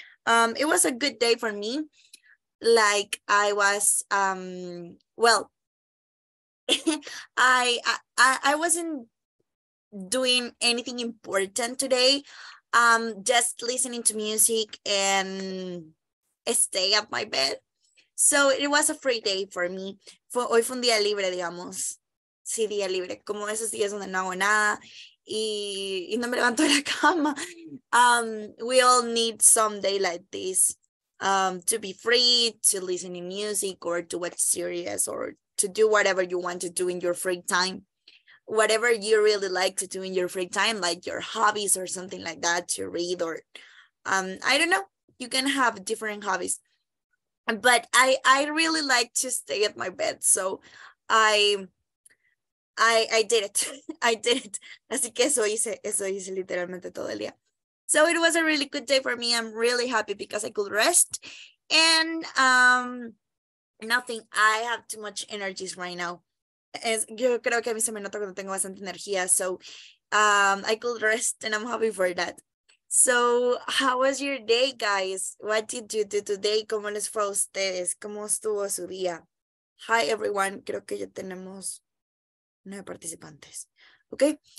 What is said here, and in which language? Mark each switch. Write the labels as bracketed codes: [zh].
[en] It was a good day for me. Like I was well I wasn't doing anything important today. Just listening to music and stay at my bed. So it was a free day for me. [es] Hoy fue un día libre, digamos. Sí, día libre, como esos días donde no hago nada. Y no me levanto de la cama. [en] We all need some day like this to be free, to listen to music or to watch series or to do whatever you want to do in your free time. Whatever you really like to do in your free time, like your hobbies or something like that, to read or I don't know. You can have different hobbies. But I really like to stay at my bed. So I did it. I did it. [es] Así que eso hice literalmente todo el día. [en] So it was a really good day for me. I'm really happy because I could rest. And nothing. I have too much energies right now. [es] Yo creo que a mí se me nota cuando tengo bastante energía. [en] So I could rest and I'm happy for that. So how was your day, guys? What did you do today? [es] ¿Cómo les fue a ustedes? ¿Cómo estuvo su día? [en] Hi, everyone. [es] Creo que ya tenemos... No hay participantes. Okay.